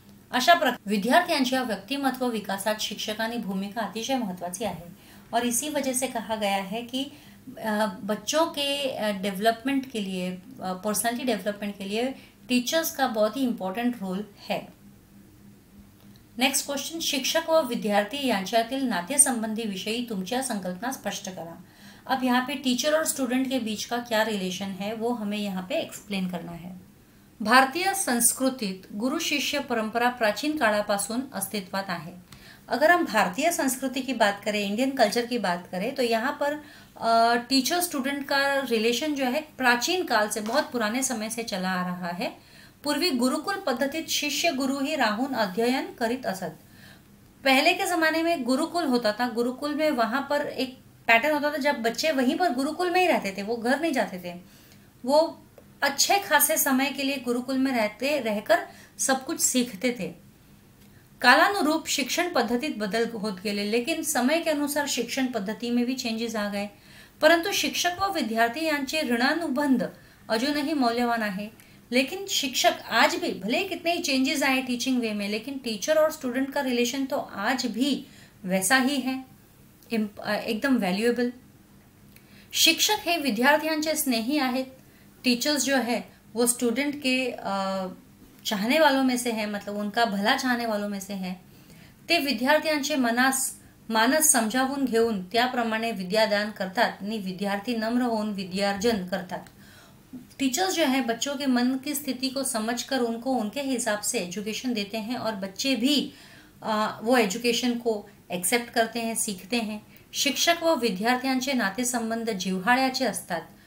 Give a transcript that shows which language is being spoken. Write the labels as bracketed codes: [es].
[mr] अशा प्रकार विद्यार्थ्यांच्या व्यक्तिमत्व विकासात शिक्षकांनी भूमिका अतिशय महत्त्वाची आहे, [hi] और इसी वजह से कहा गया है कि बच्चों के डेवलपमेंट के लिए, पर्सनालिटी डेवलपमेंट के लिए टीचर्स का बहुत ही इम्पोर्टेंट रोल है। [mr] नेक्स्ट क्वेश्चन, शिक्षक व विद्यार्थी यांच्यातील नाते संबंधी विषयी तुमच्या संकल्पना स्पष्ट करा। [hi] अब यहाँ पे टीचर और स्टूडेंट के बीच का क्या रिलेशन है वो हमें यहाँ पे एक्सप्लेन करना है। [mr] भारतीय संस्कृतीत गुरु शिष्य परंपरा प्राचीन काळापासून अस्तित्वात आहे। [hi] अगर हम भारतीय संस्कृति की बात करें, इंडियन कल्चर की बात करें, तो यहाँ पर टीचर स्टूडेंट का रिलेशन जो है प्राचीन काल से, बहुत पुराने समय से चला आ रहा है। [mr] पूर्वी गुरुकुल पद्धतित शिष्य गुरु ही राहुन अध्ययन करित असत। [hi] पहले के जमाने में गुरुकुल होता था, गुरुकुल में वहां पर एक पैटर्न होता था, जब बच्चे वहीं पर गुरुकुल में ही रहते थे, वो घर नहीं जाते थे, वो अच्छे खासे समय के लिए गुरुकुल में रहते रहकर सब कुछ सीखते थे। कालानुरूप शिक्षण पद्धति बदल हो गए, लेकिन समय के अनुसार शिक्षण पद्धति में भी चेंजेस आ गए, [mr] परंतु शिक्षक व विद्यार्थी यांचे ऋणानुबंध अजूनही मौल्यवान आहे। [hi] लेकिन शिक्षक आज भी, भले कितने ही चेंजेस आए टीचिंग वे में, लेकिन टीचर और स्टूडेंट का रिलेशन तो आज भी वैसा ही है, एकदम वैल्यूएबल। [mr] शिक्षक हे विद्यार्थ्यांचे स्नेही आहेत, [hi] टीचर्स जो है वो स्टूडेंट के चाहने वालों में से है, मतलब उनका भला चाहने वालों में से है। [mr] ते विद्यार्थ्यांचे मनास मानस समजावून घेऊन त्याप्रमाणे विद्यादान करतात, आणि विद्यार्थी नम्र होऊन विद्यार्जन करतात। [hi] टीचर्स जो है बच्चों के मन की स्थिति को समझ कर उनको उनके हिसाब से एजुकेशन देते हैं, और बच्चे भी वो एजुकेशन को एक्सेप्ट करते हैं, सीखते हैं। [mr] शिक्षक व विद्यार्थ्यांचे नाते संबंध जिव्हाळ्याचे असतात।